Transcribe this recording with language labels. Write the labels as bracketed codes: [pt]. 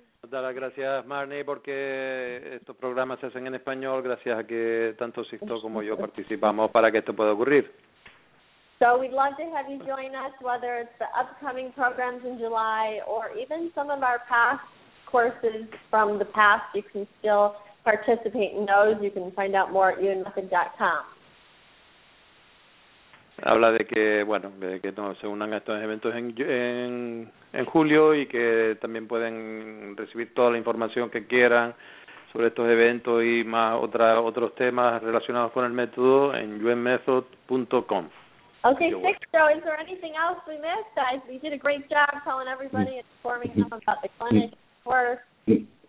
[es] Dar las gracias, Marnie, porque estos programas se hacen en español, gracias a que tanto Sixto como yo participamos para que esto pueda ocurrir. [en] So we'd love to have you join us, whether it's the upcoming programs in July or even some of our past courses from the past. You can still participate in those. You can find out more at unmethod.com. [es] Habla de que, bueno, de que no, se unan a estos eventos en julio y que también pueden recibir toda la información que quieran sobre estos eventos y más otros temas relacionados con el método en unmethod.com. [en] Okay, Sixto, is there anything else we missed, guys? We did a great job telling everybody and informing them about the clinic, of course.